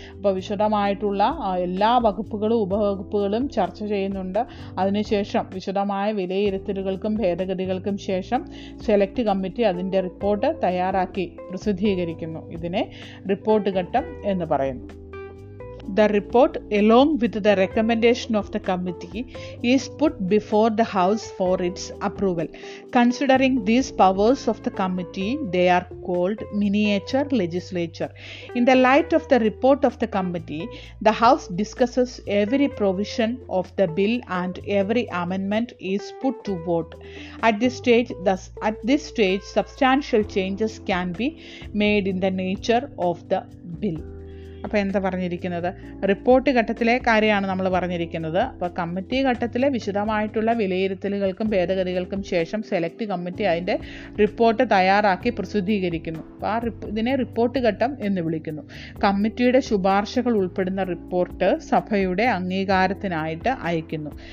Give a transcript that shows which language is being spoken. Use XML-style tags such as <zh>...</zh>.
<ml>അപ്പോൾ വിശദമായിട്ടുള്ള എല്ലാ വകുപ്പുകളും ഉപവകുപ്പുകളും ചർച്ച ചെയ്യുന്നുണ്ട്. അതിനുശേഷം വിശദമായ വിലയിരുത്തലുകൾക്കും ഭേദഗതികൾക്കും ശേഷം സെലക്ട് കമ്മിറ്റി അതിൻ്റെ റിപ്പോർട്ട് തയ്യാറാക്കി പ്രസിദ്ധീകരിക്കുന്നു. ഇതിനെ റിപ്പോർട്ട് ഘട്ടം എന്ന് പറയുന്നു.</ml> <en>The report along with the recommendation of the committee is put before the house for its approval. Considering these powers of the committee, they are called miniature legislature. In the light of the report of the committee, the house discusses every provision of the bill and every amendment is put to vote. At this stage, substantial changes can be made in the nature of the bill.</en> <ml>അപ്പോൾ എന്താ പറഞ്ഞിരിക്കുന്നത്? Report ഘട്ടത്തിലെ കാര്യമാണ് നമ്മൾ പറഞ്ഞിരിക്കുന്നത്. അപ്പോൾ committee ഘട്ടത്തിലെ വിശദമായിട്ടുള്ള വിലയിരുത്തലുകൾക്കും ഭേദഗതികൾക്കും ശേഷം സെലക്ട് കമ്മിറ്റി അതിൻ്റെ റിപ്പോർട്ട് തയ്യാറാക്കി പ്രസിദ്ധീകരിക്കുന്നു. അപ്പോൾ ഇതിനെ റിപ്പോർട്ട് ഘട്ടം എന്ന് വിളിക്കുന്നു. കമ്മിറ്റിയുടെ ശുപാർശകൾ ഉൾപ്പെടുന്ന റിപ്പോർട്ട് സഭയുടെ അംഗീകാരത്തിനായിട്ട് അയക്കുന്നു.</ml>